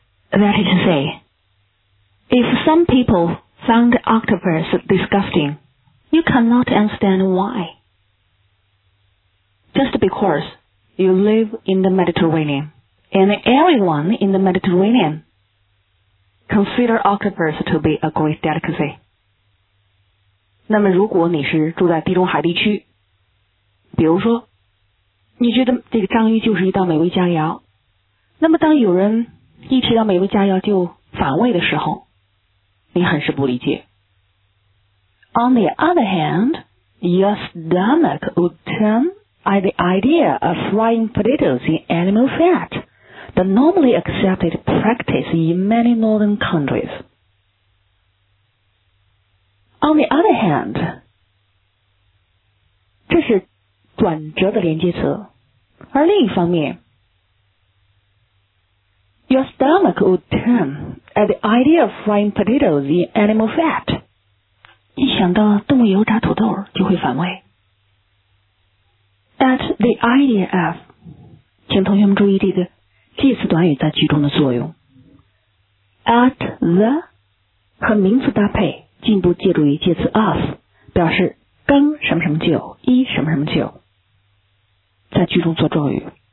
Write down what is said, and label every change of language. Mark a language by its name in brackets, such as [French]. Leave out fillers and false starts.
[English] That is to say, if some people found octopus disgusting, you cannot understand why. Just because you live in the Mediterranean, and everyone in the Mediterranean,Consider octopus to be a great delicacy. [Chinese] 那么如果你是住在地中海地区，比如说你觉得这个章鱼就是一道美味佳肴，那么当有人一提到美味佳肴就反胃的时候，你很是不理解。 [English] On the other hand, your stomach would turn at the idea of frying potatoes in animal fatThe normally accepted practice in many northern countries. On the other hand, [Chinese] 这是转折的连接词。而另一方面， [English] Your stomach would turn at the idea of frying potatoes in animal fat. [Chinese] 一想到动物油炸土豆就会反胃。 [English] At the idea of, [Chinese] 请同学们注意这个介词短语在句中的作用。 [English] At the [Chinese] 和名词搭配进一步借助于介词 of 表示刚什么什么就一什么什么就在句中做状语。